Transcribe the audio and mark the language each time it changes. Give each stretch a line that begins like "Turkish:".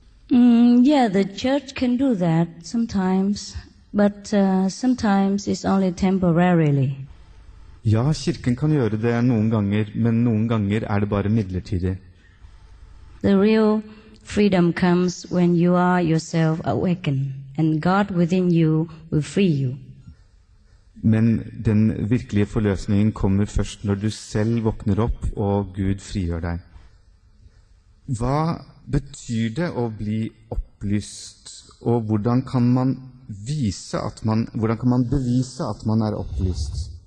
English: Yeah, the church can do that sometimes, but sometimes it's only temporarily.
Norwegian: Ja, kirken kan gjøre det noen ganger, men noen ganger det bare midlertidig.
English: The real freedom comes when you are yourself awakened, and God within you will free you.
Norwegian: Men den virkelige forløsningen kommer først når du selv våkner opp og Gud frigjør deg. Hva betyr det å bli opplyst, og hvordan kan man vise at man, hvordan kan man bevise at man opplyst?